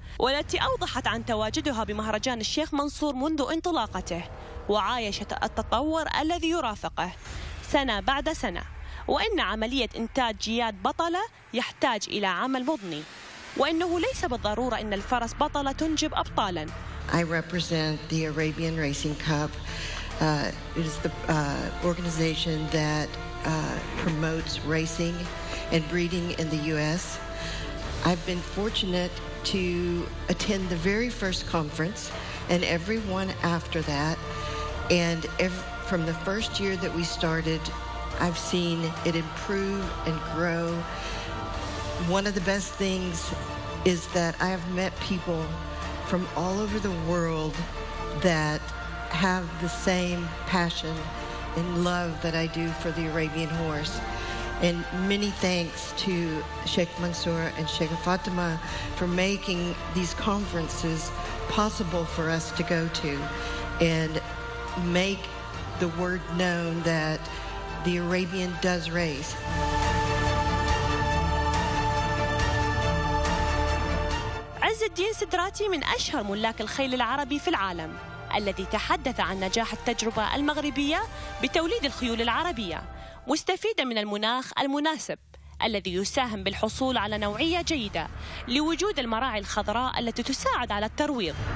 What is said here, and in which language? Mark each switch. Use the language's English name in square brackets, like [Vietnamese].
[Arabic] والتي أوضحت عن تواجدها بمهرجان الشيخ منصور منذ انطلاقته وعايشت التطور الذي يرافقه سنة بعد سنة، وإن عملية إنتاج جياد بطلة يحتاج إلى عمل مضني، وإنه ليس بالضرورة إن الفرس بطلة تنجب أبطالا. [English] I represent the Arabian Racing Cup. It is the organization that promotes racing and breeding in the U.S. I've been fortunate to attend the very first conference and everyone after that. And from the first year that we started, I've seen it improve and grow. One of the best things is that I have met people from all over the world that have the same passion and love that I do for the Arabian horse. And many thanks to Sheikh Mansour and Sheikh Fatima for making these conferences possible for us to go to and make the word known that the Arabian does race. [Arabic] عز الدين سدراتي من أشهر ملاك الخيل العربي في العالم، الذي تحدث عن نجاح التجربة المغربية بتوليد الخيول العربية مستفيدا من المناخ المناسب الذي يساهم بالحصول على نوعية جيدة لوجود المراعي الخضراء التي تساعد على الترويض.